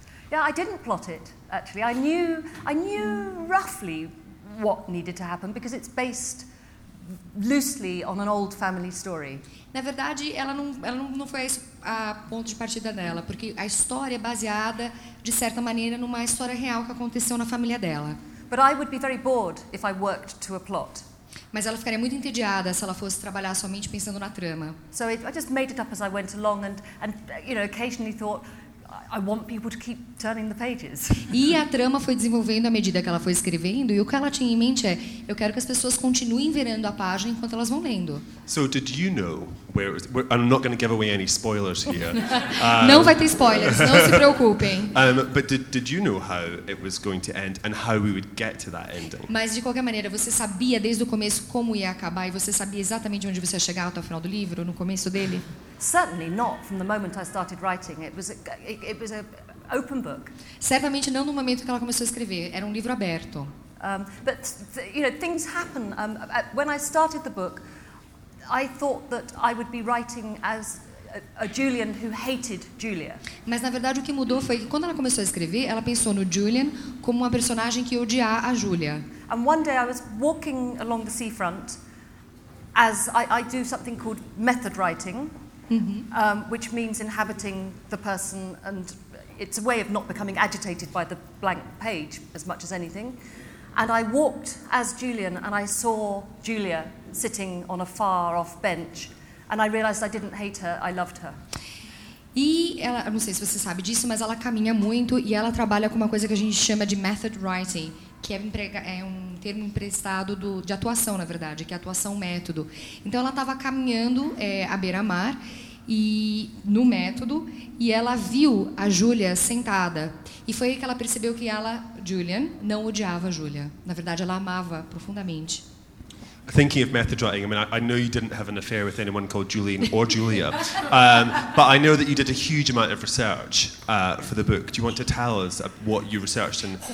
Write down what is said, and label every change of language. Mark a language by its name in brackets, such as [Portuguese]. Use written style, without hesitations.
[English] Yeah, I didn't plot it, actually. I knew roughly what needed to happen because it's based loosely on an old family story. [Portuguese] Na verdade, ela não foi esse a ponto de partida dela, porque a história é baseada de certa maneira numa história real que aconteceu na família dela. [English] But I would be very bored if I worked to a plot. [Portuguese] Mas ela ficaria muito entediada se ela fosse trabalhar somente pensando na trama. [English] So I just made it up as I went along and you know, occasionally thought I want people to keep turning the pages. [Portuguese] E a trama foi desenvolvendo à medida que ela foi escrevendo, e o que ela tinha em mente é: eu quero que as pessoas continuem virando a página enquanto elas vão lendo. [English] So did you know where it was? I'm not going to give away any spoilers here. [Portuguese] Não vai ter spoilers, não se preocupem. [English] But did you know how it was going to end and how we would get to that ending? [Portuguese] Mas de qualquer maneira, você sabia desde o começo como ia acabar e você sabia exatamente onde você ia chegar até o final do livro, no começo dele? [English] Certainly not from the moment I started writing. It was a open book. [Portuguese] Certamente não no momento que ela começou a escrever. Era um livro aberto. [English] But you know, things happen. When I started the book, I thought that I would be writing as a Julian who hated Julia. [Portuguese] Mas na verdade o que mudou foi que quando ela começou a escrever, ela pensou no Julian como uma personagem que odia a Julia. [English] And one day I was walking along the seafront, as I do something called method writing. Mm-hmm. Which means inhabiting the person, and it's a way of not becoming agitated by the blank page as much as anything. And I walked as Julian, and I saw Julia sitting on a far-off bench, and I realized I didn't hate her, I loved her. [Portuguese] E ela, não sei se você sabe disso, mas ela caminha muito e ela trabalha com uma coisa que a gente chama de method writing, que é um termo emprestado de atuação, na verdade, que é atuação método. Então, ela estava caminhando à beira-mar, e no método, e ela viu a Julia sentada. E foi aí que ela percebeu que ela, Julian, não odiava a Julia. Na verdade, ela amava profundamente. [English] Thinking of method writing, I mean, I know you didn't have an affair with anyone called Julian or Julia, but I know that you did a huge amount of research for the book. Do you want to tell us what you researched?